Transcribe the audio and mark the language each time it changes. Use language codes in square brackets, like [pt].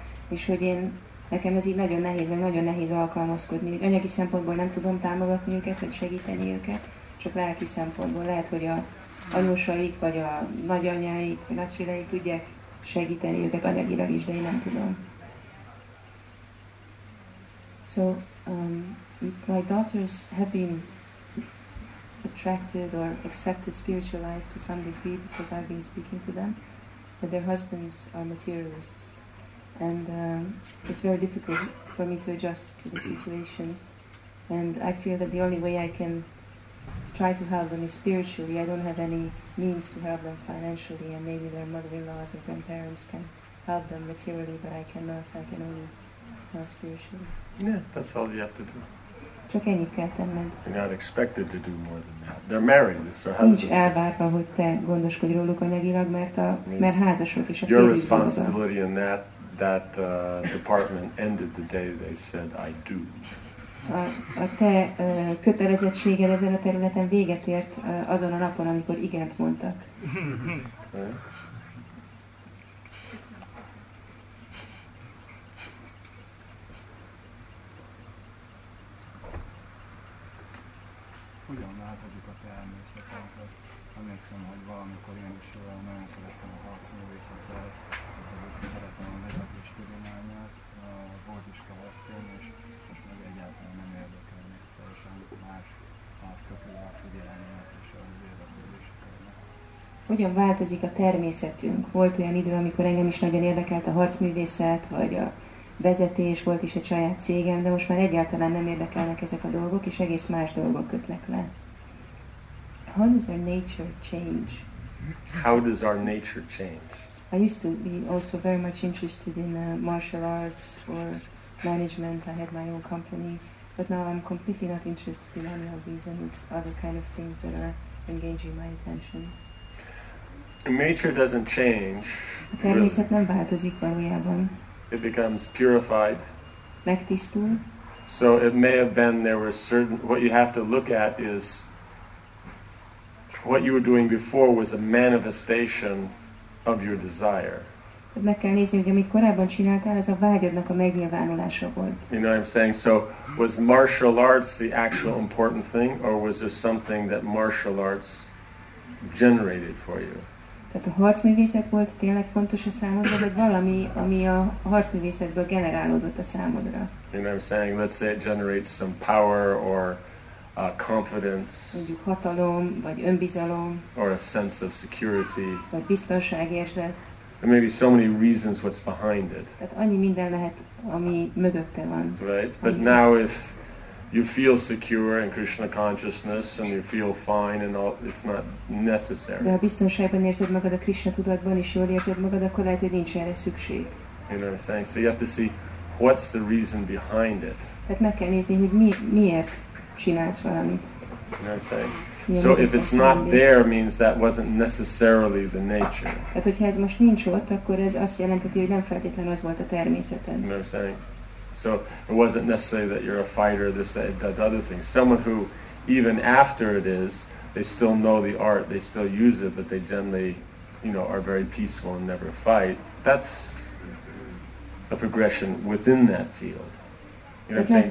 [hu] És hogy én, nekem ez így nagyon nehéz alkalmazkodni, hogy anyagi szempontból nem tudom támogatni őket, vagy segíteni őket, csak lelki szempontból. Lehet, hogy a anyósaik, vagy a nagyanyáik, vagy nagyszüleik tudják segíteni őket anyagilag is, de én nem tudom. [en] So, my daughters have been attracted or accepted spiritual life to some degree because I've been speaking to them, but their husbands are materialists. And it's very difficult for me to adjust to the situation. And I feel that the only way I can try to help them is spiritually. I don't have any means to help them financially, and maybe their mother-in-laws or grandparents can help them materially, but I cannot. I can only help spiritually. Yeah, that's all you have to do. [hu] Csak ennyit kell tenned. [en] They're not expected to do more than that. They're married, so husbands. [hu] Nincs elvárva, hogy te gondoskodj róluk anyagilag, mert házasok is a férjük. [en] Your responsibility in that. That department ended the day they said I do. [hu] A te kötelezettséged ezen a területen véget ért azon a napon, amikor igent mondtak. Hogyan változik a te emlékszetünket? Emlékszem, hogy valamikor én is nagyon szerettem a harcművészetet, szeretem a meglepés tudományát, volt is kavaktól, és most meg egyáltalán nem érdekel még teljesen más átkapja a figyelmet és az érdeklődéseket. Hogyan változik a természetünk? Volt olyan idő, amikor engem is nagyon érdekelt a harcművészet, vagy a vezetés, volt is egy saját cégem, de most már egyáltalán nem érdekelnek ezek a dolgok, és egész más dolgok kötnek le. [en] How does our nature change? How does our nature change? I used to be also very much interested in martial arts or management. I had my own company, but now I'm completely not interested in any of these, and it's other kind of things that are engaging my attention. Nature doesn't change. [hu] A természet nem változik valójában. [en] It becomes purified. [hu] Megtisztul. [en] So it may have been there were certain, what you have to look at is what you were doing before was a manifestation of your desire. [hu] Meg kell nézni, hogy amit korábban csináltál, ez a vágyadnak a megnyilvánulása volt. [en] You know what I'm saying? So was martial arts the actual important thing, or was there something that martial arts generated for you? [hu] Tehát a harcművészet volt tényleg fontos a számodra, vagy valami, ami a harcművészetből generálódott a számodra? [en] You know what I'm saying? Let's say it generates some power or confidence, [hu] mondjuk hatalom, vagy önbizalom, [en] or a sense of security, [hu] vagy biztonságérzet. [en] There may be so many reasons what's behind it. [hu] Tehát annyi minden lehet, ami mögötte van. [en] Right, but now if you feel secure in Krishna consciousness and you feel fine and all, it's not necessary. [hu] De ha biztonságban érzed magad a Krishna tudatban és jól érzed magad, akkor lehet, hogy nincs erre szükség. [en] You know what I'm saying? So you have to see what's the reason behind it. [hu] Tehát meg kell nézni, hogy miért csinálsz valamit. [en] You know what I'm saying? So if it's not there, means that wasn't necessarily the nature. [hu] Tehát hogyha ez most nincs ott, akkor ez azt jelenti, hogy nem feltétlenül az volt a természeted. [en] You know what I'm saying? So it wasn't necessarily that you're a fighter, this, that, other thing. Someone who, even after it is, they still know the art, they still use it, but they generally, you know, are very peaceful and never fight. That's a progression within that field. You know what I'm saying?